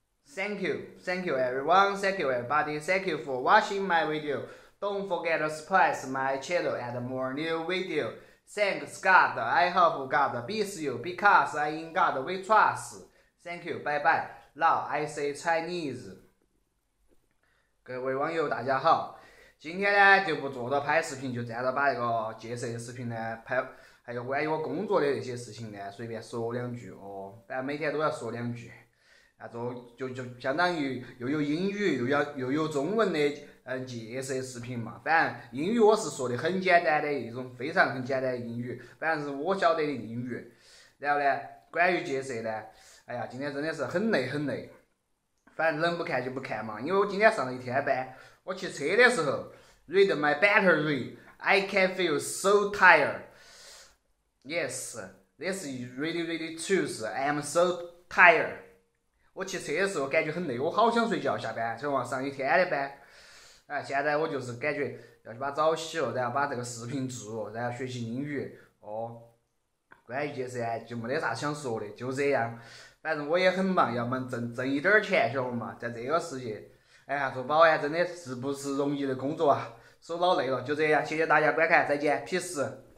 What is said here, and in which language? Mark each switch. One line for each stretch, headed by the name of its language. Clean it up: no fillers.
English: Thank you everyone, thank you everybody, thank you for watching my video. Don't forget to subscribe my channel and more new video. Thanks God, I hope God bless you because I in God we trust. Thank you, bye bye. Now I say Chinese.
Chinese: 各位网友大家好，今天呢就不做的拍视频，就再来把一个戒色的视频呢拍，还有关于我工作的那些事情呢随便说两句哦，但每天都要说两句。那种就相当于又有英语又有中文的戒色视频嘛，反正英语我是说的很简单的一种非常很简单的英语，反正是我晓得的英语。然后呢关于戒色呢，哎呀今天真的是很累很累，反正能不看就不看嘛，因为我今天上了一天班，我骑车的时候
English: read my battery I can feel so tired. Yes, this is really really truth. I am so tired.
Chinese: 我骑车的时候感觉很累，我好想睡觉下班，想往上一天的班。哎，现在我就是感觉要去把澡洗了，然后把这个视频做了，然后学习英语。哦，关于这些就没得啥想说的，就这样。反正我也很忙，要么挣一点钱，晓得吗？在这个世界，哎呀，做保安真的是不是容易的工作啊，手老累了。就这样，谢谢大家观看，再见 ，peace。